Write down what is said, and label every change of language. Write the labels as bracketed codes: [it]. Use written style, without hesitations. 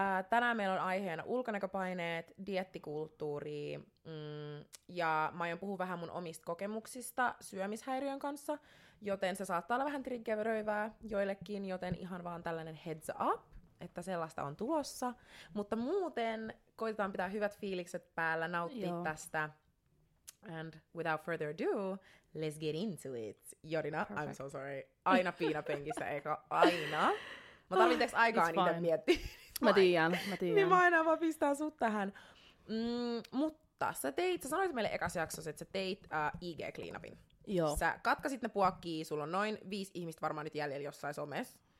[fi] Tänään meillä on aiheena ulkonäköpaineet, dieettikulttuuri, ja mä aion puhua vähän mun omista kokemuksista syömishäiriön kanssa, joten se saattaa olla vähän triggeröivää joillekin, joten ihan vaan tällainen heads up, että sellaista on tulossa. Mutta muuten koitetaan pitää hyvät fiilikset päällä, nauttia Joo. tästä. [en] And without further ado, let's get into it. Jorina, Perfect. I'm so sorry. [fi] Aina piinapenkissä, eikä aina. Mä tarvin teeks aikaa niitä miettiä. Mä tiiän. Niin mä aina vaan pistän sut tähän. Mutta sä sanoit meille ekassa jaksossa, että sä teit IG-cleanupin. Joo. Sä katkasit ne puokkii, sulla on noin 5 ihmistä varmaan nyt jäljellä jossain somessa.